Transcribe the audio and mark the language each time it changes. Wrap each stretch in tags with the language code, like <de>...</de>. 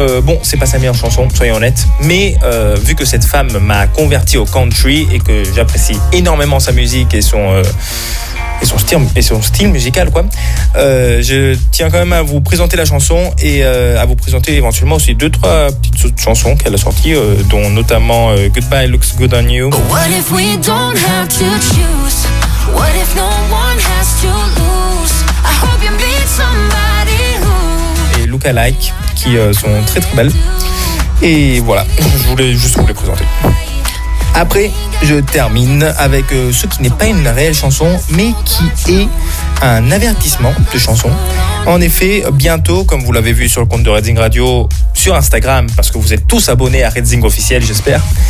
<fr>Bon, c'est pas sa meilleure chanson, soyons honnêtes, mais vu que cette femme m'a converti au country et que j'apprécie énormément sa musique et son et son style musical, quoi. Je tiens quand même à vous présenter la chanson et à vous présenter éventuellement aussi deux, trois petites autres chansons qu'elle a sorties, dont notamment Goodbye Looks Good on You.</fr> <en>What if we don't have to choose? What if no one has to lose? I hope you meet somebody who...</en> <fr>Et Lookalike, qui sont très très belles. Et voilà, je voulais juste vous les présenter. Après, je termine avec ce qui n'est pas une réelle chanson, mais qui est un avertissement de chanson. En effet, bientôt, comme vous l'avez vu sur le compte de Redzing Radio, sur Instagram, parce que vous êtes tous abonnés à Redzing officiel, j'espère.</fr>